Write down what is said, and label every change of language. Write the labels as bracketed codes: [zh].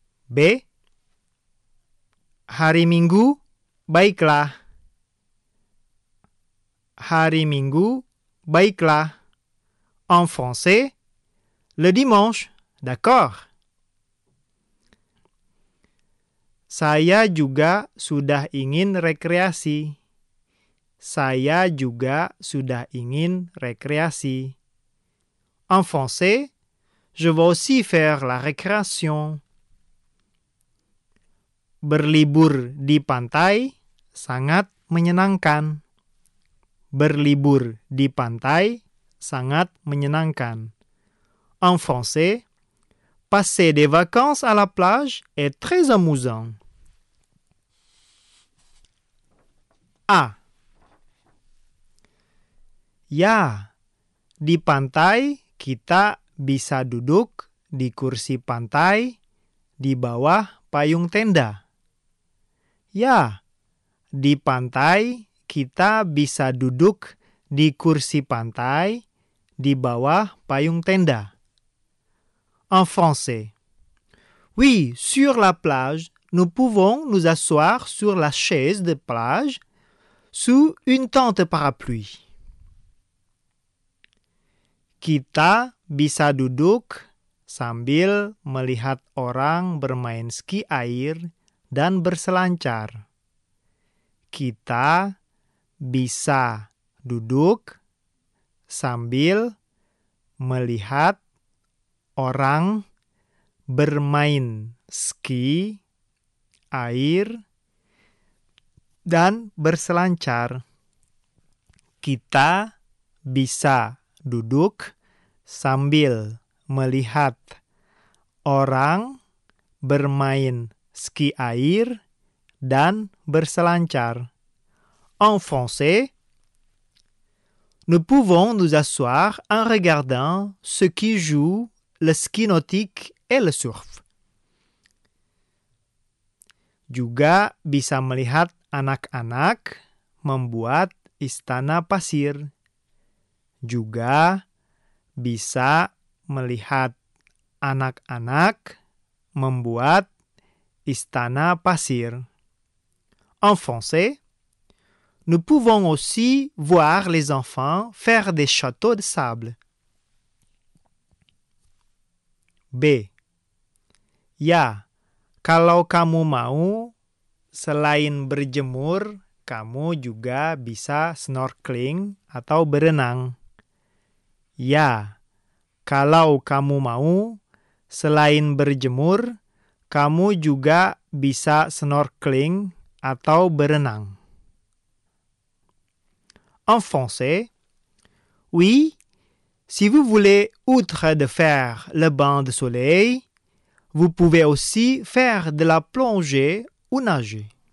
[id] B. Hari Minggu, baiklah. Hari Minggu, baiklah. [fr] En français, le dimanche, d'accord. [id] Saya juga sudah ingin rekreasi. Saya juga sudah ingin rekreasi. [fr] En français, je veux aussi faire la récréation. [id] Berlibur di pantai sangat menyenangkan. Berlibur di pantai sangat menyenangkan. [fr] En français, passer des vacances à la plage est très amusant. A. [id] Ya, di pantai kita bisa duduk di kursi pantai di bawah payung tenda. Ya, di pantai kita bisa duduk di kursi pantai di bawah payung tenda. [fr] En français. Oui, sur la plage, nous pouvons nous asseoir sur la chaise de plage sous une tente parapluie. [id] Kita bisa duduk sambil melihat orang bermain ski air dan berselancar. Kita bisa duduk sambil melihat orang bermain ski air dan berselancar. Kita bisa duduk sambil melihat orang bermain ski air dan berselancar. [fr] En français, nous pouvons nous asseoir en regardant ceux qui jouent le ski nautique et le surf. [id] Juga bisa melihat anak-anak membuat istana pasir. Juga bisa melihat anak-anak membuat istana pasir. [fr] En français, nous pouvons aussi voir les enfants faire des châteaux de sable. B. [id] Ya, kalau kamu mau, selain berjemur, kamu juga bisa snorkeling atau berenang. Ya, kalau kamu mau, selain berjemur, kamu juga bisa snorkeling atau berenang. [fr] En français, oui, si vous voulez, outre de faire le bain de soleil, vous pouvez aussi faire de la plongée ou nager.